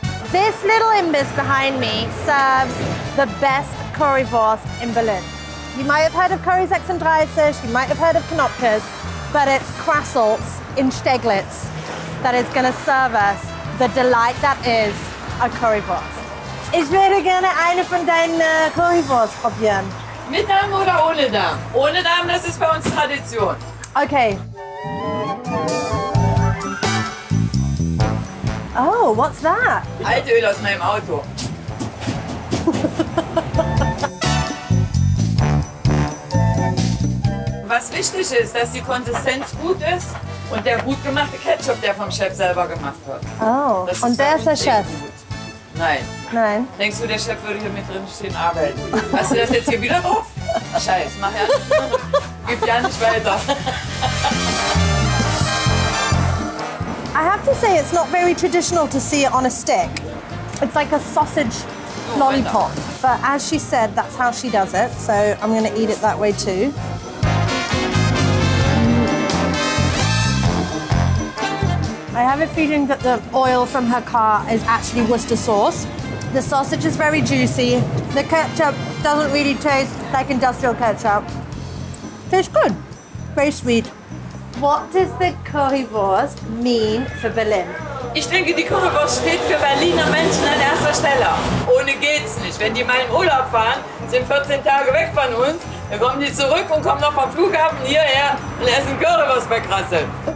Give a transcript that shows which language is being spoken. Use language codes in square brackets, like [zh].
[en] This little imbiss behind me serves the best currywurst in Berlin. You might have heard of Curry 36, you might have heard of Knopkes, but it's Krassels in Steglitz that is gonna serve us the delight that is a currywurst. [de] Ich würde gerne eine von deinen Currywurst probieren. Mit Darm oder ohne Darm? Ohne Darm, das ist bei uns Tradition. Okay. [en] Oh, what's that? [de] Altöl aus meinem Auto. Was wichtig ist, dass die Konsistenz gut ist und der gut gemachte Ketchup, der vom Chef selber gemacht wird. Oh, und der ist der Chef? Nein. Nein. Denkst du, der Chef würde hier mit drin stehen arbeiten? Hast du das jetzt hier wieder drauf? Scheiß, mach ja nicht. Gib ja nicht weiter. [en] I have to say, it's not very traditional to see it on a stick. It's like a sausage lollipop. But as she said, that's how she does it. So I'm going to eat it that way too. I have a feeling that the oil from her car is actually Worcester sauce. The sausage is very juicy. The ketchup doesn't really taste like industrial ketchup. Tastes good, very sweet. What does the currywurst mean for Berlin? [de] Ich denke, die Currywurst steht für Berliner Menschen an erster Stelle. Ohne geht's nicht. Wenn die mal in Urlaub fahren, sind 14 Tage weg von uns, dann kommen die zurück und kommen noch vom Flughafen hierher und essen Currywurst bei Krassel.